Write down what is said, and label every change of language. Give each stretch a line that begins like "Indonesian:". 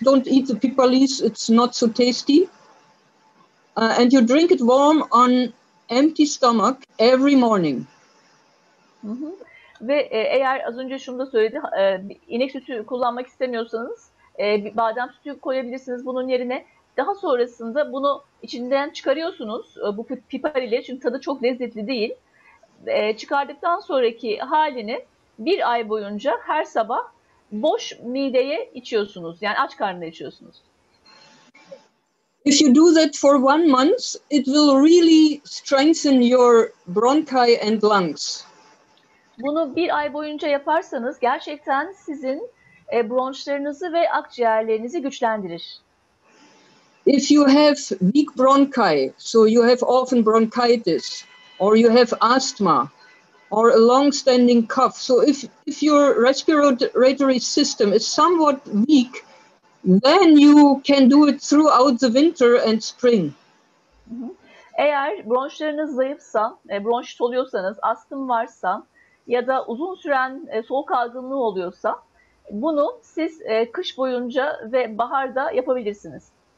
English: Don't eat the pipalis, it's not so tasty. And you drink it warm on empty stomach every morning.
Turkish: Ve eğer az önce şunu da söyledi, inek sütü kullanmak istemiyorsanız badem sütü koyabilirsiniz bunun yerine. Daha sonrasında bunu içinden çıkarıyorsunuz bu pipar ile, çünkü tadı çok lezzetli değil. Çıkardıktan sonraki halini bir ay boyunca her sabah boş mideye içiyorsunuz. Yani aç karnına içiyorsunuz.
English: If you do that for 1 month, it will really strengthen your bronchi and lungs.
Turkish: Bunu bir ay boyunca yaparsanız gerçekten sizin bronşlarınızı ve akciğerlerinizi güçlendirir.
English: If you have weak bronchi, so you have often bronchitis, or you have asthma, or a long-standing cough, so if your respiratory system is somewhat weak, then you can do it throughout the winter and spring.
Turkish: Eğer bronşlarınız zayıfsa, bronşit oluyorsanız, astım varsa ya da uzun süren soğuk algınlığı oluyorsa, bunu siz kış boyunca ve baharda yapabilirsiniz.